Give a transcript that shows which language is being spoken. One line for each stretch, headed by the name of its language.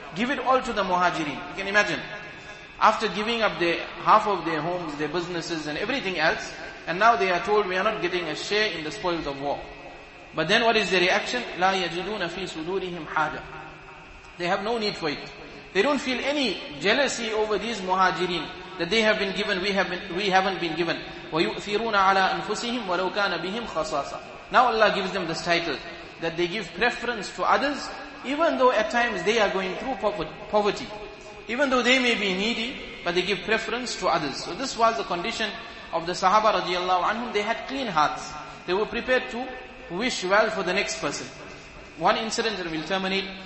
English: Give it all to the muhajirin. You can imagine. After giving up their half of their homes, their businesses and everything else, and now they are told we are not getting a share in the spoils of war. But then what is their reaction?
Arabic: لا يجدون في صدورهم حاجة.
English: They have no need for it. They don't feel any jealousy over these muhajirin that they have been given, we haven't been given.
Arabic: ويؤثرون على أنفسهم ولو كان بهم خصاصة.
English: Now Allah gives them this title that they give preference to others even though at times they are going through poverty. Even though they may be needy, but they give preference to others. So this was the condition of the Sahaba radiallahu anhum. They had clean hearts. They were prepared to wish well for the next person. One incident that will terminate.